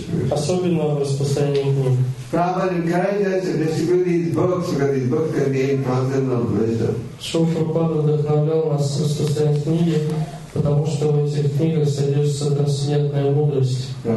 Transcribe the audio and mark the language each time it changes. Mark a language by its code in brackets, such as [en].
[ru] Особенно в распространении книг. [en] Prabhupada encouraged us to distribute these books because these books contain fountain of wisdom. [ru] Шрила Прабхупада вдохновлял нас распространять книги, потому что в этих книгах содержится трансцендентная мудрость.